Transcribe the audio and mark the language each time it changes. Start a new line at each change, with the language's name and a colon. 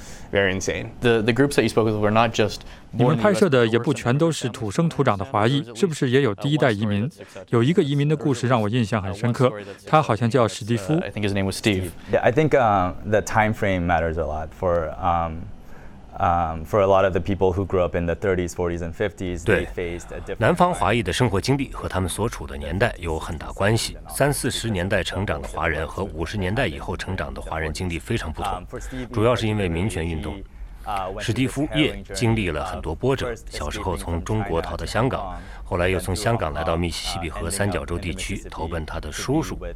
English: The groups that you spoke with were not just.
Chinese: 你们拍摄的也不全都是土生土长的华裔，是不是也有第一代移民？有一个移民的故事让我印象很深刻，他好像叫史蒂夫。
English: I think his name was Steve. Yeah, I think the time frame matters a lot for. For a lot of the people who grew up in the 30s, 40s, and 50s, they faced a different.
Chinese: 南方华裔的生活经历和他们所处的年代有很大关系。三四十年代成长的华人和50年代以后成长的华人经历非常不同，主要是因为民权运动。史蒂夫·叶经历了很多波折，小时候从中国逃到香港，后来又从香港来到密西西比和三角洲地区投奔他的叔叔。